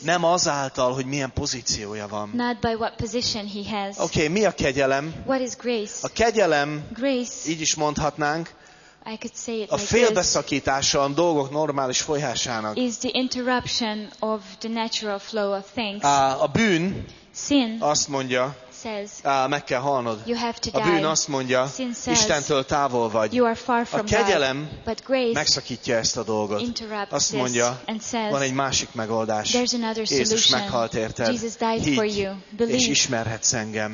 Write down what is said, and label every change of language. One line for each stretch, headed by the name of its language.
Hungarian: Nem azáltal, hogy milyen pozíciója van.
English: Not by what position he has.
Hungarian: Okay, mi a kegyelem?
English: What is grace?
Hungarian: A kegyelem,
English: grace,
Hungarian: így is mondhatnánk,
English: I could say it
Hungarian: a félbeszakítása a dolgok normális folyásának.
English: Is the interruption of the natural flow of things.
Hungarian: A bűn,
English: sin,
Hungarian: azt mondja,
English: says,
Hungarian: meg kell halnod.
English: You have to
Hungarian: die. A bűn azt mondja, Istentől távol vagy.
English: You are far from
Hungarian: a kegyelem
English: God, but grace
Hungarian: megszakítja ezt a dolgot.
English: Interrupts
Hungarian: azt mondja,
English: and says,
Hungarian: van egy másik megoldás.
English: There's another solution.
Hungarian: Jézus meghalt érted.
English: Jesus died for you.
Hungarian: Believe, és ismerhetsz engem.